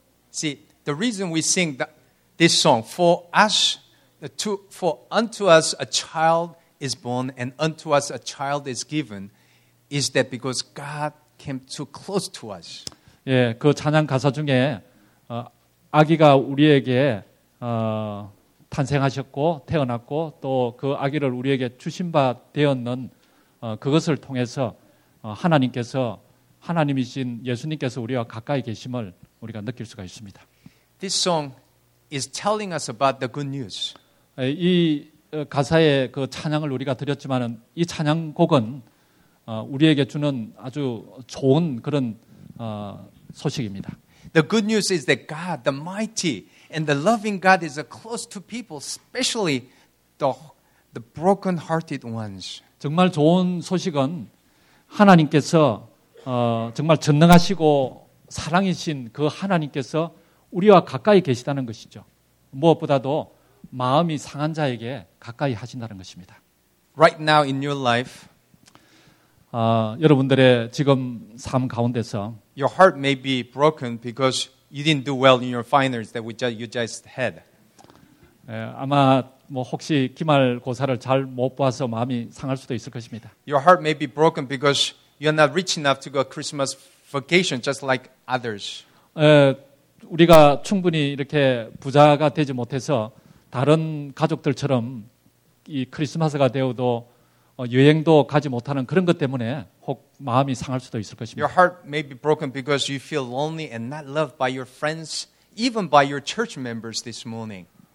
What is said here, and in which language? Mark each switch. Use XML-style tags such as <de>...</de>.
<en>See, the reason we sing this song for us for unto us a child is born and unto us a child is given is that because God came too close to us.</en> <ko>예, 그 찬양 가사 중에 아기가 우리에게 탄생하셨고 태어났고 또 그 아기를 우리에게 주신 바 되었는 그것을 통해서 하나님께서 하나님이신 예수님께서 우리와 가까이 계심을 우리가 느낄 수가 있습니다.</ko> <en>This song is telling us about the good news.</en> <ko>이 가사의 그 찬양을 우리가 드렸지만은 이 찬양곡은 우리에게 주는 아주 좋은 그런 소식입니다.</ko> <en>The good news is that God, the mighty and the loving God, is close to people, especially the broken-hearted ones.</en> <ko>정말 좋은 소식은 하나님께서 정말 전능하시고 사랑이신 그 하나님께서 우리와 가까이 계시다는 것이죠. 무엇보다도 마음이 상한 자에게 가까이 하신다는 것입니다.</ko> <en>Right now in your life,</en> <ko>여러분들의 지금 삶 가운데서</ko> <en>your heart may be broken because you didn't do well in your finals that you just had.</en> <ko>아마 뭐 혹시 기말고사를 잘 못 봐서 마음이 상할 수도 있을 것입니다.</ko> <en>Your heart may be broken because you're not rich enough to go Christmas vacation just like others.</en> <ko>우리가 충분히 이렇게 부자가 되지 못해서 다른 가족들처럼 이 크리스마스가 되어도 여행도 가지 못하는 그런 것 때문에 혹 마음이 상할 수도 있을 것입니다.</ko> <en>Your heart may be broken because you feel lonely and not loved by your friends, even by your church members this morning.</en>